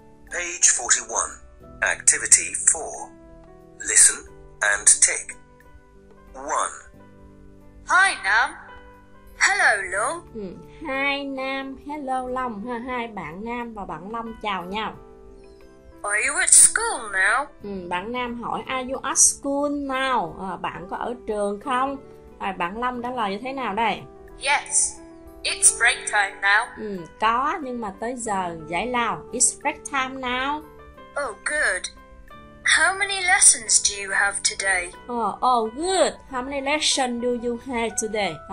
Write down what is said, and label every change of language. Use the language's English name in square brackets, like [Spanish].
[English] Page 41, activity 4. Listen and tick. 1. Hi Nam. Hello Long. Hi Nam, hello Long. [Vietnamese] Hai bạn Nam và bạn Long chào nhau. [English] Are you at school now? [Vietnamese] Bạn Nam hỏi [English] are you at school now? [Vietnamese] Bạn có ở trường không? Bạn Long trả lời như thế nào đây? [English] Yes. It's break time now. [Vietnamese] Có nhưng mà tới giờ giải lao. [English] It's break time now. Oh good. How many lessons do you have today? Oh, good. How many lessons do you have today?